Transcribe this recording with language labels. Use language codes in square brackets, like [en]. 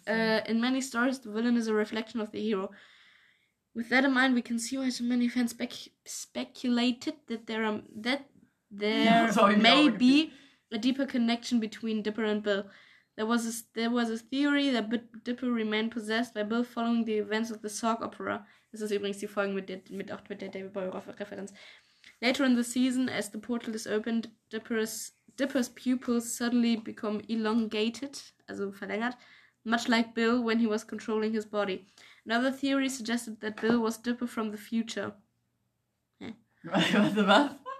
[en] In many stories, the villain is a reflection of the hero. With that in mind, we can see why so many fans speculated that there may be a deeper connection between Dipper and Bill. There was a theory that Dipper remained possessed by Bill following the events of the Sorg Opera. [de] Das ist übrigens die Folge mit der David Bowie-Referenz. [en] Later in the season, as the portal is opened, Dipper's pupils suddenly become elongated, [de] also verlängert, [en] much like Bill when he was controlling his body. Another theory suggested that Bill was Dipper from the future. [de] Was? Was?